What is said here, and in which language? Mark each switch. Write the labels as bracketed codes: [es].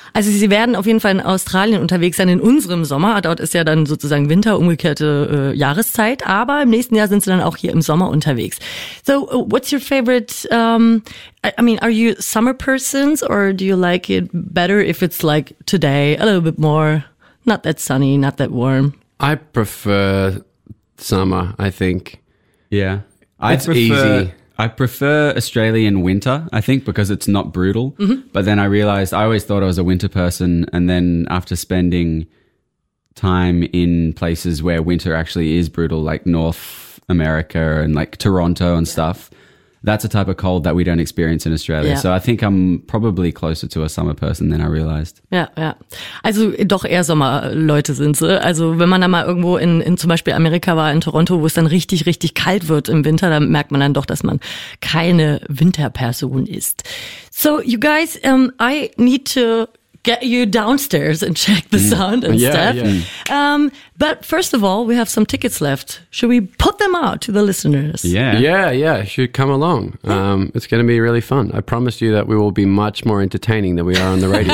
[de] Also sie werden auf jeden Fall in Australien unterwegs sein in unserem Sommer. Dort ist ja dann sozusagen Winter, umgekehrte Jahreszeit, aber im nächsten Jahr sind sie dann auch hier im Sommer unterwegs. [en] So what's your favorite are you summer persons, or do you like it better if it's like today a little bit more, not that sunny, not that warm? I prefer summer, I think. Yeah. I prefer Australian winter, I think, because it's not brutal. Mm-hmm. But then I realized I always thought I was a winter person. And then after spending time in places where winter actually is brutal, like North America and like Toronto and stuff, that's a type of cold that we don't experience in Australia. Yeah. So I think I'm probably closer to a summer person than I realized. [de] Ja. Also doch eher Sommerleute sind sie. Also wenn man da mal irgendwo in zum Beispiel Amerika war, in Toronto, wo es dann richtig, richtig kalt wird im Winter, dann merkt man dann doch, dass man keine Winterperson ist. [en] So you guys, I need to get you downstairs and check the sound and stuff. Yeah. But first of all, we have some tickets left. Should we put them out to the listeners? Yeah. Should come along. It's going to be really fun. I promise you that we will be much more entertaining than we are on the radio.